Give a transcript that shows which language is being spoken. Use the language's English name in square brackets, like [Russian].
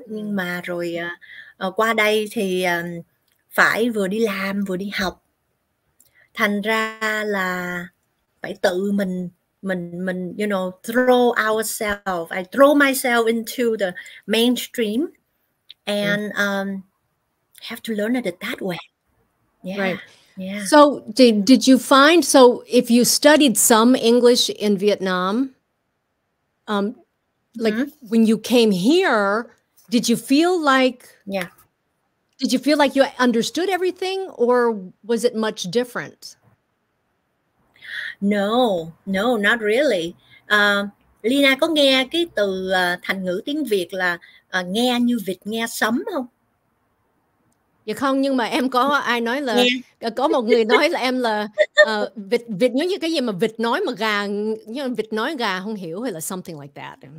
[Vietnamese] Nhưng mà rồi qua đây thì phải vừa đi làm vừa đi học, thành ra là phải tự mình [English] throw ourselves, I throw myself into the mainstream and have to learn it that way. Right. So did you find, so if you studied some English in Vietnam, like when you came here, did you feel like you understood everything, or was it much different? No, not really. [Vietnamese] Lina có nghe cái từ thành ngữ tiếng Việt là nghe như vịt nghe sấm không? Dạ không, nhưng mà em có ai nói Nghe. là có một người nói là em là vịt vịt nói như cái gì mà vịt nói mà gà như vịt nói gà không hiểu, hay là [English] something like that.